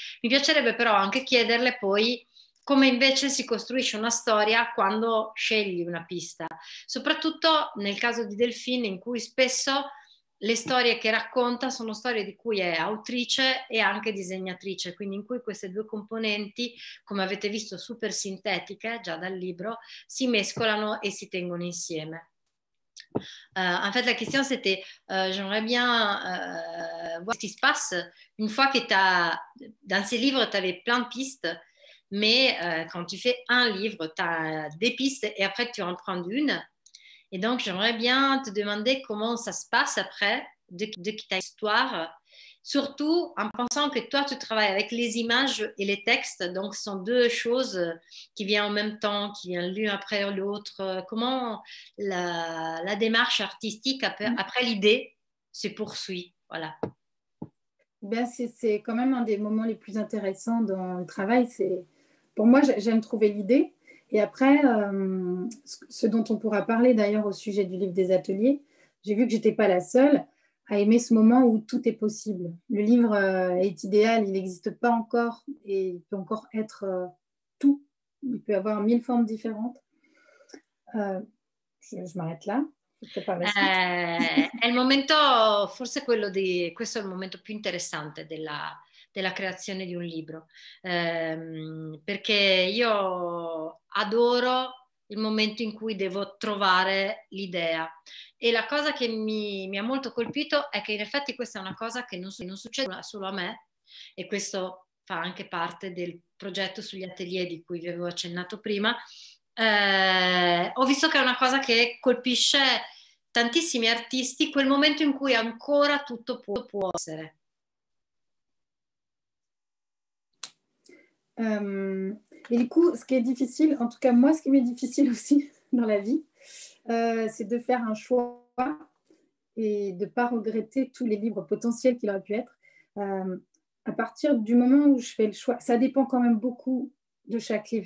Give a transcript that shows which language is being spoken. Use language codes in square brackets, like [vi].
[it] Mi piacerebbe però anche chiederle poi come invece si costruisce una storia quando scegli una pista, soprattutto nel caso di Delphine, in cui spesso le storie che racconta sono storie di cui è autrice e anche disegnatrice, quindi in cui queste due componenti, come avete visto, super sintetiche già dal libro, si mescolano e si tengono insieme. [fr] En fait, la question c'était, j'aimerais bien voir ce qui se passe une fois que t'as, dans ces livres, tu avais plein de pistes, mais quand tu fais un livre, tu as des pistes et après tu en prends une. Et donc, j'aimerais bien te demander comment ça se passe après, de ta histoire, surtout en pensant que toi, tu travailles avec les images et les textes, donc ce sont deux choses qui viennent en même temps, qui viennent l'une après l'autre. Comment la démarche artistique, après l'idée, se poursuit? Voilà. Bien, c'est quand même un des moments les plus intéressants dans le travail. Pour moi, j'aime trouver l'idée. Et après, ce dont on pourra parler d'ailleurs au sujet du livre des ateliers, j'ai vu que je n'étais pas la seule à aimer ce moment où tout est possible. Le livre est idéal, il n'existe pas encore et il peut encore être tout. Il peut avoir mille formes différentes. Je m'arrête là. [it] È il momento, forse quello di, questo è il momento più interessante della, della creazione di un libro, perché io adoro il momento in cui devo trovare l'idea. E la cosa che mi ha molto colpito è che in effetti questa è una cosa che non succede solo a me, e questo fa anche parte del progetto sugli atelier di cui vi avevo accennato prima. Ho visto che è una cosa che colpisce tantissimi artisti, quel momento in cui ancora tutto può essere. [fr] Et du coup, ce qui est difficile, en tout cas moi, ce qui m'est difficile aussi dans la vie, c'est de faire un choix et de ne pas regretter tous les livres potentiels qu'il aurait pu être. À partir du moment où je fais le choix, ça dépend quand même beaucoup de chaque livre.